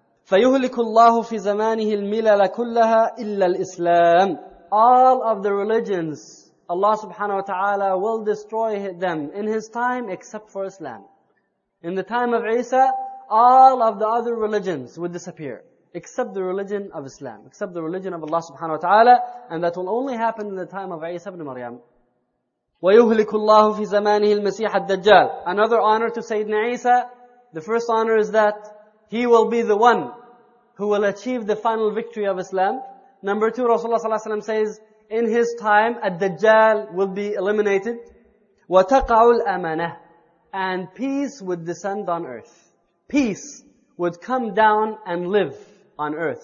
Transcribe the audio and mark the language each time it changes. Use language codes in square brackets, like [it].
[ar] فَيُهْلِكُ اللَّهُ فِي زَمَانِهِ الْمِلَلَ كُلَّهَا إِلَّا الْإِسْلَامِ [en] All of the religions, Allah subhanahu wa ta'ala will destroy them in his time except for Islam. In the time of Isa, all of the other religions would disappear except the religion of Islam, except the religion of Allah subhanahu wa ta'ala, and that will only happen in the time of Isa ibn Maryam. [ar] ويهلك الله في زمانه المسيح الدجال. [en] Another honor to Sayyidina Isa. The first honor is that he will be the one who will achieve the final victory of Islam. Number two, Rasulullah [ar] صلى الله عليه وسلم [en] says, in his time, الدجال will be eliminated. [ar] وتقع الأمانة. [en] And peace would descend on earth. Peace would come down and live on earth.